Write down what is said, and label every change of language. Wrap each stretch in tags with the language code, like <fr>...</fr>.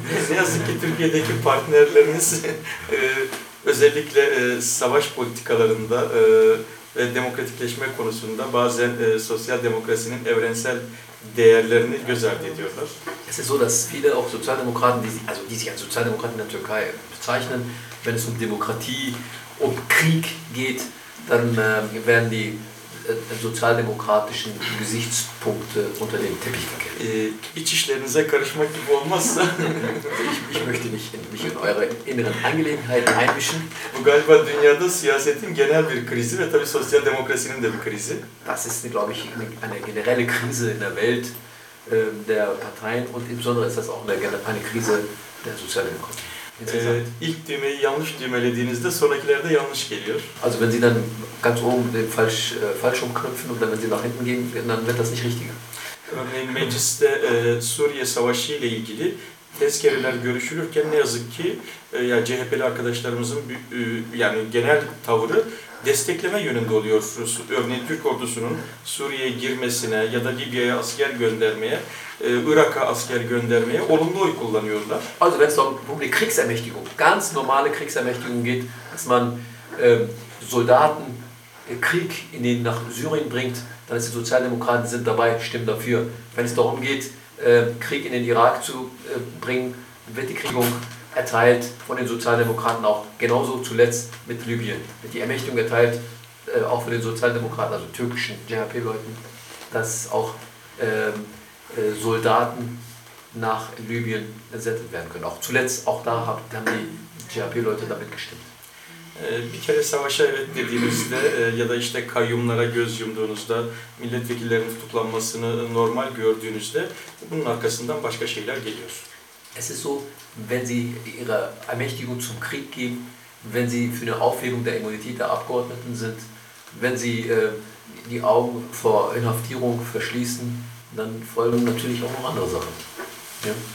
<tr>Ne yazık ki Türkiye'deki partnerlerimiz özellikle savaş politikalarında ve demokratikleşme konusunda bazen sosyal demokrasinin evrensel değerlerini göz ardı ediyorlar.</tr> <de>Es ist so, dass viele auch Sozialdemokraten, die sich als Sozialdemokraten in der Türkei bezeichnen, wenn es um Demokratie, um Krieg geht, dann werden die sozialdemokratischen Gesichtspunkte unter den Teppich gekehrt.</de> <tr>İçişlerinize karışmak gibi olmazsa.</tr> <de>ich möchte mich in eure inneren Angelegenheiten einmischen.</de> <tr>Bu galiba dünyada siyasetin genel bir krizi ve tabii sosyal demokrasinin de bir krizi.</tr> <de>Das ist, glaube ich, eine generelle Krise in der Welt der Parteien und insbesondere ist das auch eine Krise der Sozialdemokratie.</de> <tr>İlk düğmeyi yanlış düğmelediğinizde sonrakilerde yanlış geliyor.</tr> <de>Also wenn Sie dann ganz oben den falsch umknüpfen und dann wenn Sie nach hinten gehen, dann wird das nicht richtiger.</de> <tr>Örneğin mecliste Suriye Savaşı ile ilgili tezkereler görüşülürken ne yazık ki ya CHP'li arkadaşlarımızın yani genel tavrı destekleme yönünde oluyor. Örneğin Türk ordusunun Suriye'ye girmesine ya da Libya'ya asker göndermeye Irak'a asker göndermeye olumlu oy kullanıyorlar.</tr> <de>Also wenn es um die Kriegsermächtigung, ganz normale Kriegsermächtigung geht, dass man Soldaten Krieg in den nach Syrien bringt, dann ist die Sozialdemokraten sind dabei, stimmen dafür. Wenn es darum geht, Krieg in den Irak zu bringen, wird die Kriegung erteilt von den Sozialdemokraten auch genauso zuletzt mit Libyen. Wird die Ermächtigung erteilt auch von den Sozialdemokraten, also türkischen CHP-Leuten, dass auch Soldaten nach Libyen entsendet werden können. Auch zuletzt, auch da haben die CHP-Leute damit gestimmt.</de> <tr>Bir kere savaşa evet dediğinizde ya da işte kayyumlara göz yumduğunuzda milletvekillerinin tutuklanmasını normal gördüğünüzde bunun arkasından başka şeyler geliyor.</tr> <de>Es ist so, wenn Sie Ihre Ermächtigung zum Krieg geben, wenn sie für eine Aufhebung der Immunität der Abgeordneten sind, wenn sie die Augen vor Inhaftierung verschließen, dann folgen natürlich auch noch andere Sachen. Ja?</de>